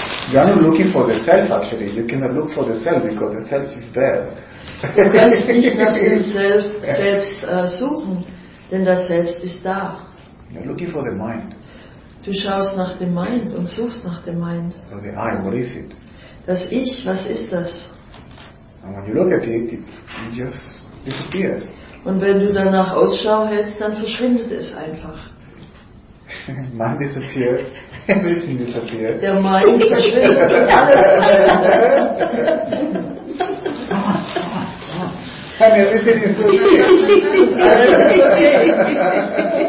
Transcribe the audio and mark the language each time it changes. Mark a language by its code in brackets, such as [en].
[en] You are not looking for the self, actually. You cannot look for the self because the self is there. [de] Du kannst nicht nach dem selbst suchen, denn das Selbst ist da. [en] You are looking for the mind. [de] Du schaust nach dem Mind und suchst nach dem Mind. [en] So the I, what is it? [de] Das Ich, was ist das? [en] And when you look at it, it just disappears. [de] Und wenn du danach Ausschau hältst, dann verschwindet es einfach. [en] Mind disappears. Everything disappears. [de] Der Mind verschwindet. [en] And everything is disappears.